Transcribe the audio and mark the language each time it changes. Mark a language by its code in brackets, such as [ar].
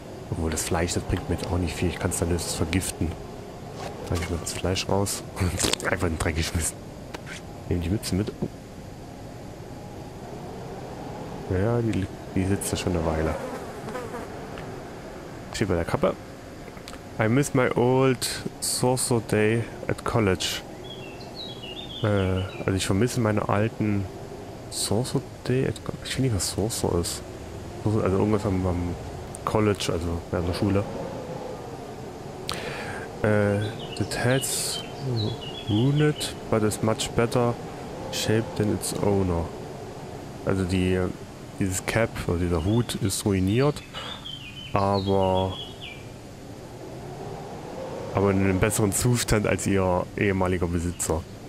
[de] Obwohl das Fleisch, das bringt mir jetzt auch nicht viel. Ich kann es dann höchstens vergiften. Dann ich mal das Fleisch raus und einfach in den Dreck geschmissen. Nehmen die Mütze mit. Oh. Ja, die sitzt da schon eine Weile. Hier bei der Kappe. [en] I miss my old sorcerer day at college. [de] Also ich vermisse meine alten [en] sorcerer day at college. [de] Ich weiß nicht, was sorcerer ist. Sorcerer, also irgendwas am College, also an der Schule. [en] It has wounded, but is much better shaped than its owner. [de] Also dieses Cap oder dieser Hut ist ruiniert, aber in einem besseren Zustand als ihr ehemaliger Besitzer.